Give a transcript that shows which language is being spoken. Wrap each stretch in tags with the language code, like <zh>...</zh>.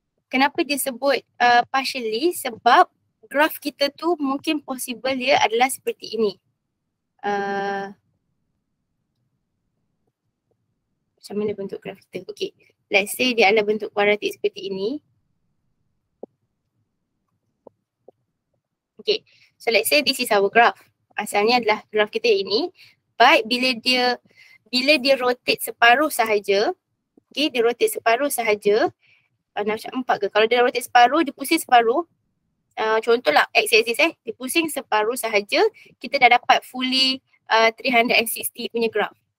<ms>Kenapa dia sebut partially? Sebab graf kita tu mungkin possible dia adalah seperti ini. Macam mana bentuk graf kita?</ms> <en>Okay, let's say</en> <ms>dia adalah bentuk kuadratik seperti ini.</ms> <en>Okay, so let's say this is our graph.</en> <ms>Asalnya adalah graph kita ini. But bila dia rotate separuh sahaja, okay, dia rotate separuh sahaja, nak macam empat ke? Kalau dia rotate separuh, dia pusing separuh. Contohlah x-axis dia pusing separuh sahaja, kita dah dapat fully 360 punya graph.</ms>